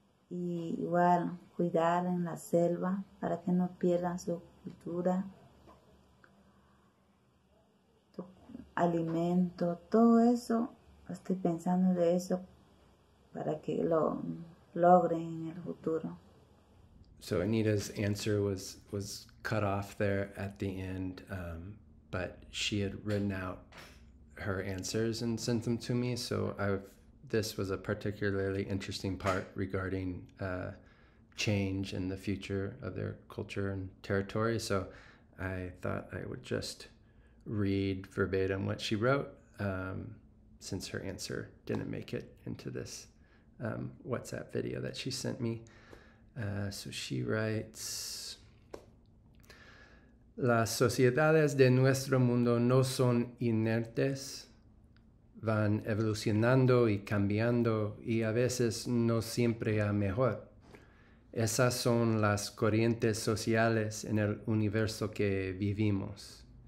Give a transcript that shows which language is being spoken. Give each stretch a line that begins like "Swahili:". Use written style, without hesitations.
Spanish: Y igual cuidar en la selva para que no pierdan su cultura, tu alimento, todo eso. Estoy pensando de eso para que lo logren en el futuro.
English: So Anita's answer was cut off there at the end, but she had written out her answers and sent them to me. So this was a particularly interesting part regarding change in the future of their culture and territory. So I thought I would just read verbatim what she wrote, since her answer didn't make it into this WhatsApp video that she sent me. So she writes,
Spanish: "Las sociedades de nuestro mundo no son inertes, van evolucionando y cambiando, y a veces no siempre a mejor. Esas son las corrientes sociales en el universo que vivimos.